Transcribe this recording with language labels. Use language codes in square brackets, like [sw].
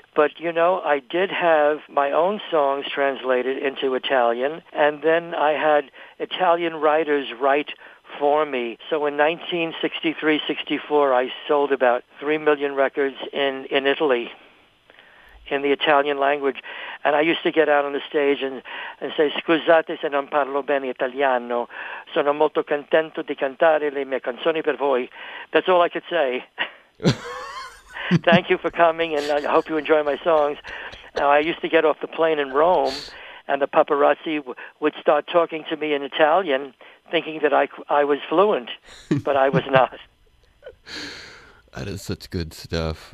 [en] But, you know, I did have my own songs translated into Italian, and then I had Italian writers write for me. So in 1963-64, I sold about 3 million records in Italy, in the Italian language. And I used to get out on the stage and say, [it] "Scusate se non parlo bene italiano, sono molto contento di cantare le mie canzoni per voi." [en] That's all I could say. Thank you for coming, and I hope you enjoy my songs. Now, I used to get off the plane in Rome, and the paparazzi would start talking to me in Italian, thinking that I was fluent, but I was not. That is such good stuff.